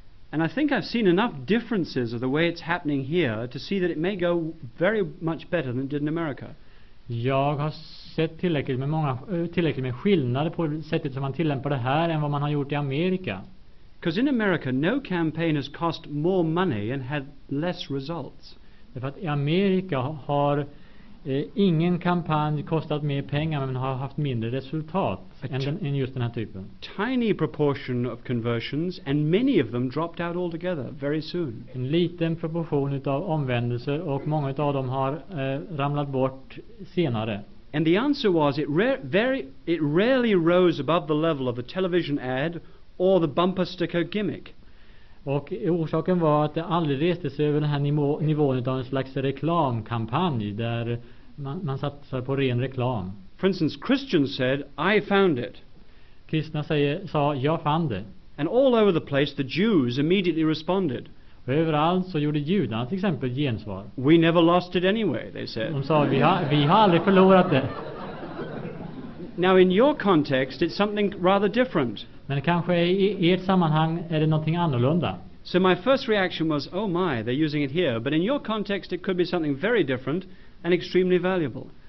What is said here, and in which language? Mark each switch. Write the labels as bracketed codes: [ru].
[en] And I think I've seen enough differences of the way it's happening here to see that it may go very much better than it did in America. [sv] Jag har sett tillräckligt med skillnader på sättet som man tillämpar det här än vad man har gjort i Amerika. [en] Because in America no campaign has cost more money and had less results. [sv] Därför att i Amerika har Ingen kampanj kostat mer pengar men har haft mindre resultat än just den här typen. [en] Tiny proportion of conversions and many of them dropped out altogether very soon. [sv] En liten proportion utav omvändelser och många av dem har ramlat bort senare. [en] And the answer was it rarely rose above the level of the television ad or the bumper sticker gimmick. [sv] Och orsaken var att det aldrig reste sig över den här nivån utav en slags reklamkampanj där man satsar på ren reklam. [en] For instance, Christians said, I found it. [sv] Kristna sa, jag fann det. [en] And all over the place the Jews immediately responded. [sv] Och överallt så gjorde judarna till exempel gensvar. [en] We never lost it anyway, they said. [sv] De sa, vi har aldrig förlorat det. [en] Now in your context it's something rather different. [sv] Men kanske i ert sammanhang är det någonting annorlunda. [en] So my first reaction was, oh my, they're using it here. But in your context it could be something very different and extremely valuable.